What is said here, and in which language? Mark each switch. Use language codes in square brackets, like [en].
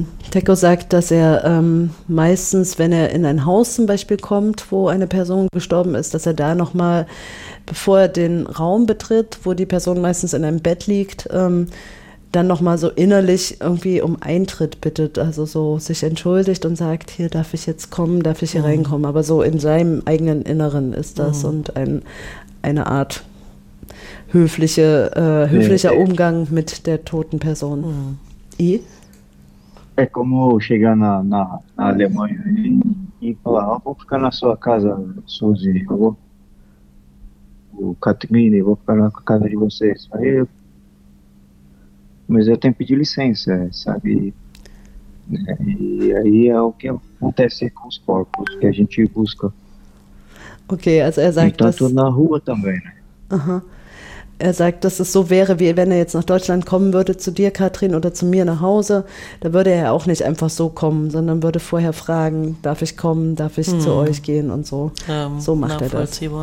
[de] Teco sagt, dass er meistens, wenn er in ein Haus zum Beispiel kommt, wo eine Person gestorben ist, dass er da nochmal, bevor er den Raum betritt, wo die Person meistens in einem Bett liegt, dann nochmal so innerlich irgendwie um Eintritt bittet, also so sich entschuldigt und sagt, hier darf ich jetzt kommen, darf ich hier reinkommen. Aber so in seinem eigenen Inneren ist das und eine Art höflicher Umgang mit der toten Person. [pt] É como chegar na Alemanha e falar, ah, vou ficar na sua casa, Suzy, o Katrine, vou ficar na casa de vocês. Aí, mas eu tenho que pedir licença, sabe? E aí é o que acontece com os corpos que a gente busca. [de] Ok, also er sagt, dass... [pt] Na rua também, né? [de] Er sagt, dass es so wäre, wie wenn er jetzt nach Deutschland kommen würde, zu dir, Katrin, oder zu mir nach Hause, da würde er auch nicht einfach so kommen, sondern würde vorher fragen, darf ich kommen, darf ich zu euch gehen und so. So macht er das.